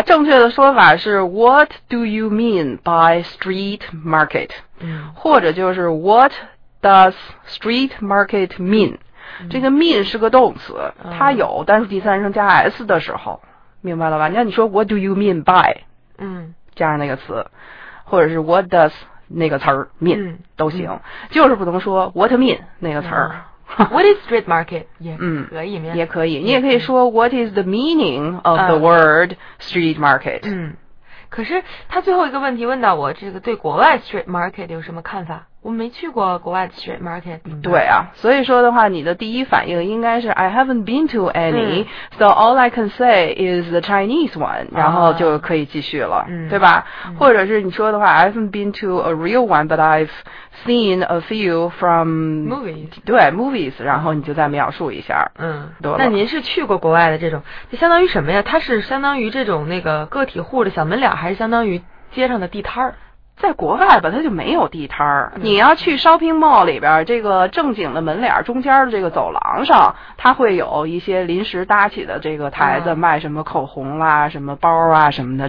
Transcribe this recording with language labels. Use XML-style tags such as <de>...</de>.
<zh>正确的说法是</zh> <en>What do you mean by street market？</en> <zh>或者就是</zh> <en>What does street market mean？</en> <zh>这个 mean 是个动词，它有单数第三声加 s 的时候，明白了吧？那你说</zh> <en>what do you mean by？</en> <zh>加上那个词，或者是</zh> <en>what does</en> <zh>那个词儿 mean、都行，就是不能说 what mean 那个词儿。</zh> <en>What is street market？ 也可以，</en> <zh>也可以，你也可以说</zh> <en>what is the meaning of the word street market？</en> <zh>可是他最后一个问题问到我，这个对国外 street market 有什么看法？我没去过国外的 street market。对啊，所以说的话，你的第一反应应该是</zh> <en>I haven't been to any, so all I can say is the Chinese one,</en> <zh>然后就可以继续了，对吧？或者是你说的话</zh> <en>I haven't been to a real one, but I've seen a few from movies.</en> <zh>对 movies, 然后你就再描述一下。那您是去过国外的这种，就相当于什么呀？它是相当于这种那个个体户的小门脸，还是相当于街上的地摊儿？在国外吧，它就没有地摊儿。你要去 shopping mall 里边，这个正经的门脸中间的这个走廊上，它会有一些临时搭起的这个台子，卖什么口红啦、什么包啊什么的。</zh>